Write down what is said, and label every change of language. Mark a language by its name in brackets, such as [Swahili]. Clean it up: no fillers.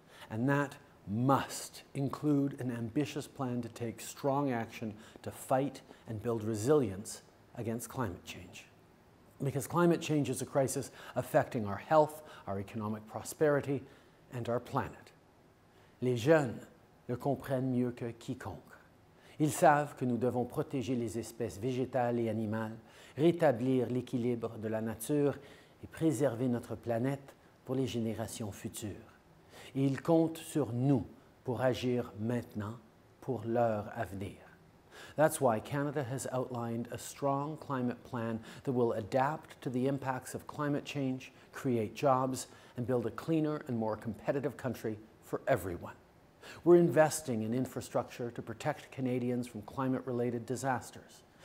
[English] And that must include an ambitious plan to take strong action to fight and build resilience against climate change. Because climate change is a crisis affecting our health, our economic prosperity, and our planet. [French] Les jeunes le comprennent mieux que quiconque. Ils savent que nous devons protéger les espèces végétales et animales, rétablir l'équilibre de la nature et préserver notre planète pour les générations futures. Et ils comptent sur nous pour agir maintenant pour leur avenir. [English] That's why Canada has outlined a strong climate plan that will adapt to the impacts of climate change, create jobs, and build a cleaner and more competitive country for everyone. We're investing in infrastructure to protect Canadians from climate-related disasters.